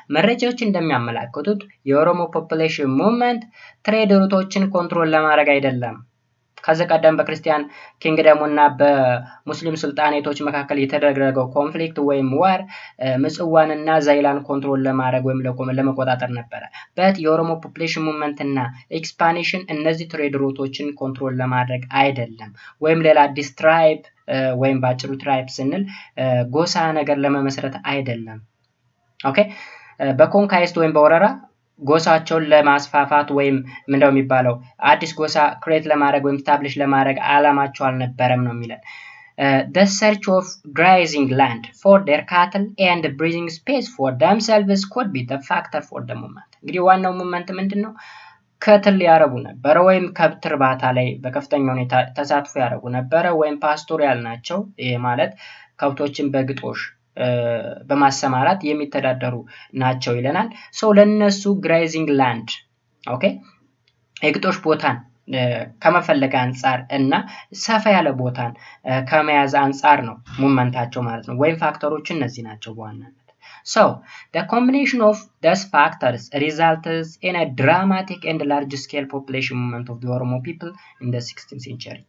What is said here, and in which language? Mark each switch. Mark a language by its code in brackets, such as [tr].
[am] መረጃዎች እንደሚያመላክቱት የኦሮሞ [en] population movement trade routes- [am] ን ኮንትሮል ለማድረግ አይደለም። ከዚህ ቀደም በክርስቲያን ኪንግደሙና በሙስሊም ሱልጣኔቶች መካከል የተደረገው ኮንፍሊክት ወይም ዋር ምጽዋንና ዛይላን ኮንትሮል ለማድረግ ወይም ለመቆጣጠር ነበር። በት የኦሮሞ population movement እና expansion እነዚህ trade routes-ን ኮንትሮል ለማድረግ አይደለም። ወይም ሌላ ዲስትራይብ ወይም ባጭሩ ትራይብ ስንል ጎሳ ነገር ለመመስረት አይደለም። ኦኬ በኮንካይስት ወይም በወረራ ጎሳቸውን ለማስፋፋት ወይም ምንድነው የሚባለው አዲስ ጎሳ ክሬት ለማድረግ ወይም ስታብሊሽ ለማድረግ አላማቸው አልነበረም ነው የሚለን። [en] the search of grazing land for their cattle and the breathing space for themselves could be the factor for the movement. [am] እንግዲህ ዋናው ሙመንት ምንድነው? ከትል ያረጉ ነበር ወይም ከብት ርባታ ላይ በከፍተኛ ሁኔታ ተሳትፎ ያረጉ ነበር ወይም ፓስቶሪያል ናቸው ይሄ ማለት ከብቶችን በግጦሽ በማሰማራት የሚተዳደሩ ናቸው ይለናል so ለነሱ [en] grazing land okay [am] የግጦሽ ቦታን ከመፈለግ አንጻር እና ሰፋ ያለ ቦታን ከመያዝ አንጻር ነው ሙመንታቸው ማለት ነው ወይም ፋክተሮች እነዚህ ናቸው በኋላ [en] So, the combination of these factors resulted in a dramatic and large-scale population movement of the Oromo people in the 16th century.